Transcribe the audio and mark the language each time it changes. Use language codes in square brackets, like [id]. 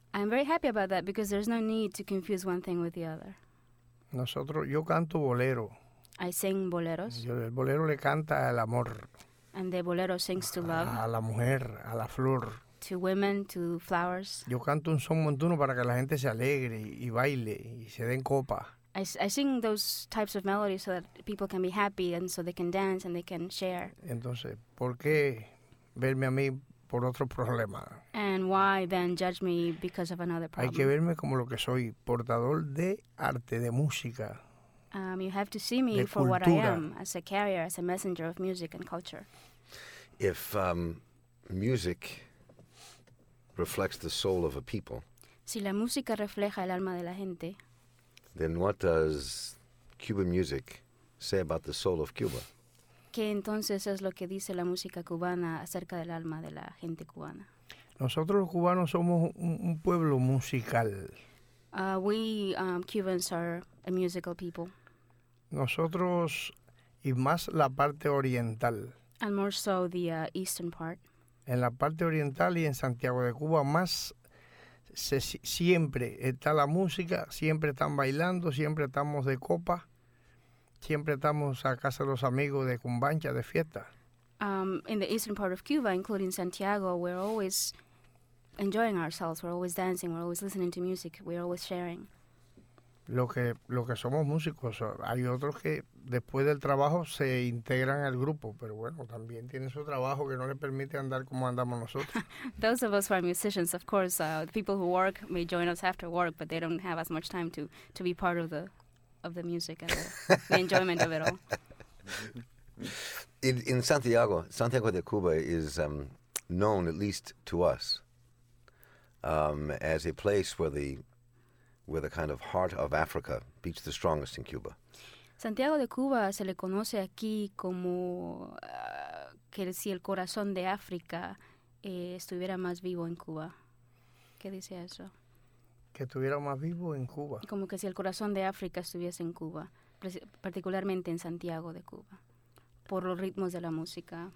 [en] I am very happy about that because there's no need to confuse one thing with the other. [es] Yo canto bolero. [en] I sing boleros. [es] El bolero le canta al amor. [en] And the bolero sings to love. [es] A la mujer, a la flor. [en] To women, to flowers. [es] Yo canto un son montuno para que la gente se alegre y baile y se den copa. [en] I sing those types of melodies so that people can be happy and so they can dance and they can share. [es] Entonces, ¿por qué verme a mí por otro problema? [en] And why then judge me because of another problem? [es] Hay que verme como lo que soy, portador de arte, de música. [en] You have to see me for what I am, as a carrier, as a messenger of music and culture. If music reflects the soul of a people. [es] Si la música refleja el alma de la gente. [en] Then what does Cuban music say about the soul of Cuba? [es] ¿Qué entonces es lo que dice la música cubana acerca del alma de la gente cubana? Nosotros los cubanos somos un pueblo musical. [en] We Cubans are a musical people. [es] Nosotros, y más la parte oriental. [en] And more so the eastern part. [es] En la parte oriental y en Santiago de Cuba más... siempre está la música, siempre están bailando, siempre estamos de copa, siempre estamos a casa de los amigos de cumbancha, de fiesta. [en] In the eastern part of Cuba, including Santiago, we're always enjoying ourselves, we're always dancing, we're always listening to music, we're always sharing. [es] Lo que somos músicos, hay otros que después del trabajo se integran al grupo, pero bueno, también tienen su trabajo que no les permite andar como andamos nosotros. [en] Those of us who are musicians, of course, the people who work may join us after work, but they don't have as much time to be part of the music and the enjoyment of it all. In Santiago de Cuba is known, at least to us, as a place where the kind of heart of Africa beats the strongest in Cuba. [es] Santiago de Cuba se le conoce aquí como que si el corazón de África estuviera más vivo en Cuba. ¿Qué dice eso? Que estuviera más vivo en Cuba. Como que si el corazón de África estuviese en Cuba, particularmente en Santiago de Cuba, por los ritmos de la música.